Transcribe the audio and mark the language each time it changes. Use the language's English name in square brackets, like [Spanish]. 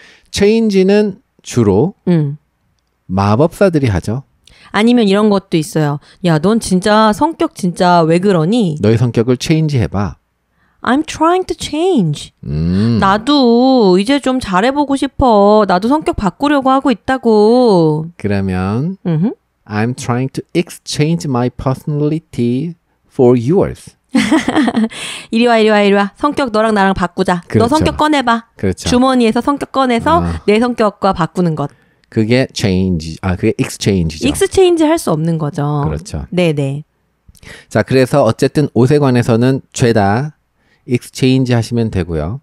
[Korean] Change는 주로 마법사들이 하죠. 아니면 이런 것도 있어요. 야, 넌 진짜 성격 진짜 왜 그러니? 너의 성격을 체인지 해봐. [English] I'm trying to change. [Korean] 나도 이제 좀 잘해보고 싶어. 나도 성격 바꾸려고 하고 있다고. 그러면 [English] I'm trying to exchange my personality for yours. [Korean] 이리 와, 이리 와, 이리 와. 성격 너랑 나랑 바꾸자. 그렇죠. 너 성격 꺼내봐. 그렇죠. 주머니에서 성격 꺼내서 내 성격과 바꾸는 것. 그게 change, 아, 그게 exchange죠. exchange 할 수 없는 거죠. 그렇죠. 네네. 자, 그래서 어쨌든 옷에 관해서는 죄다 exchange 하시면 되고요.